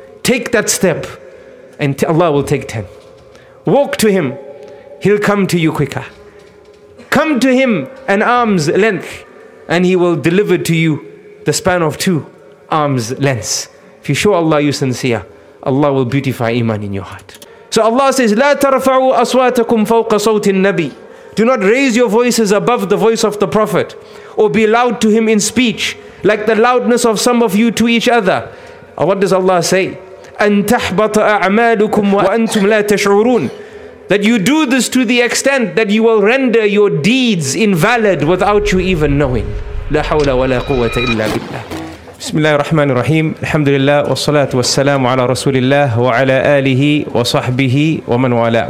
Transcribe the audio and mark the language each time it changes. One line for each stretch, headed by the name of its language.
English: Take that step, and Allah will take 10. Walk to Him, He'll come to you quicker. Come to Him an arm's length, and He will deliver to you the span of 2 arm's lengths. If you show Allah you're sincere, Allah will beautify iman in your heart. So Allah says,
Arabic: لا ترفعوا أصواتكم فوق صوت النبي.
English: Do not raise your voices above the voice of the Prophet, or be loud to him in speech, like the loudness of some of you to each other. What does Allah say?
Arabic: أن تحبط أعمالكم وأنتم لا تشعرون.
English: That you do this to the extent that you will render your deeds invalid without you even knowing.
Arabic: لا حول ولا قوة إلا بالله. بسم الله الرحمن الرحيم الحمد لله والصلاة والسلام على رسول الله وعلى آله وصحبه ومن والاه.